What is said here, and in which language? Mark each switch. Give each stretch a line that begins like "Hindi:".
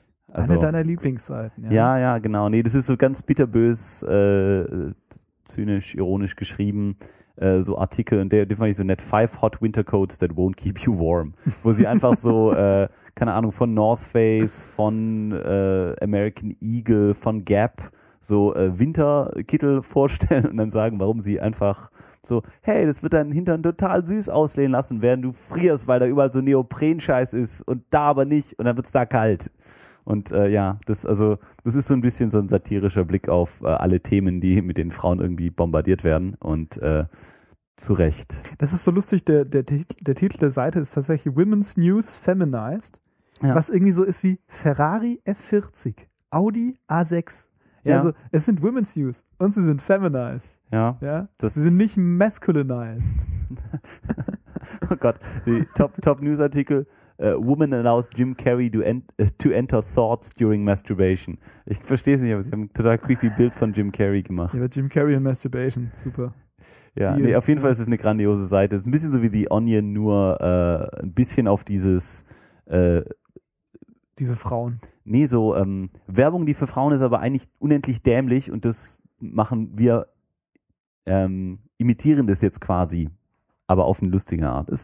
German: Also, eine deiner Lieblingsseiten, ja. Ja, genau. Nee, das ist so ganz bitterbös, zynisch, ironisch geschrieben, so Artikel. Und der fand ich so nett.
English: 5 hot winter coats that won't keep you warm.
German: Wo sie einfach so, keine Ahnung, von North Face, von American Eagle, von Gap so Winterkittel vorstellen und dann sagen, warum sie einfach so, hey, das wird deinen Hintern total süß auslehnen lassen, während du frierst, weil da überall so Neopren-Scheiß ist und da aber nicht und dann wird's da kalt. Und das ist so ein bisschen so ein satirischer Blick auf alle Themen, die mit den Frauen irgendwie bombardiert werden und zu Recht. Das ist so lustig, der Titel der Seite ist tatsächlich Women's News Feminized, ja. Was irgendwie so ist wie Ferrari F40, Audi A6. Ja. Also es sind Women's News und sie sind feminized. Ja. Ja? Das sie sind nicht masculinized. Oh Gott, die Top News-Artikel.
English: Woman allows Jim Carrey to enter thoughts during masturbation.
German: Ich verstehe es nicht, aber sie haben ein total creepy Bild von Jim Carrey gemacht. Ja, Jim Carrey und Masturbation, super. Ja, nee, auf jeden Fall ist es eine grandiose Seite. Es ist ein bisschen so wie The Onion, nur ein bisschen auf dieses... diese Frauen. Nee, so Werbung, die für Frauen ist, aber eigentlich unendlich dämlich und das machen wir, imitieren das jetzt quasi, aber auf eine lustige Art.